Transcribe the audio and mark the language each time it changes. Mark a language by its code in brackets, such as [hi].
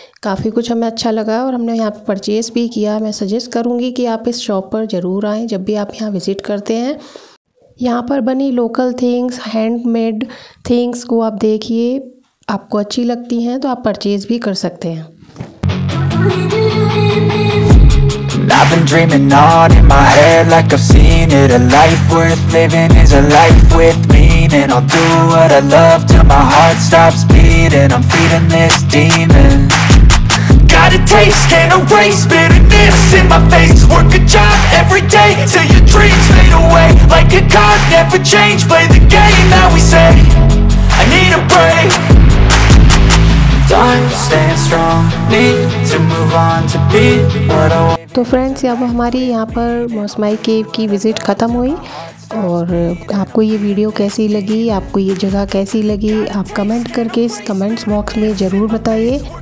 [hi] काफ़ी कुछ हमें अच्छा लगा और हमने यहाँ परचेज भी किया. मैं सजेस्ट करूँगी कि आप इस शॉप पर ज़रूर आएँ जब भी आप यहाँ विज़िट करते हैं. यहाँ पर बनी लोकल थिंग्स, हैंडमेड थिंग्स को आप देखिए, आपको अच्छी लगती हैं तो आप परचेज भी कर सकते हैं. [en] I've been dreaming on in my head like I've seen it. A life worth living is a life with meaning. I'll do what I love till my heart stops beating. I'm feeding this demon. Got a taste, can't erase bitterness in my face. Work a job every day till your dreams fade away. Like a card, never change, play the game that we say. I need a break. [hi] तो friends, अब हमारी यहाँ पर मौसमाई केव की visit ख़त्म हुई. और आपको ये वीडियो कैसी लगी, आपको ये जगह कैसी लगी, आप कमेंट करके इस कमेंट्स बॉक्स में ज़रूर बताइए.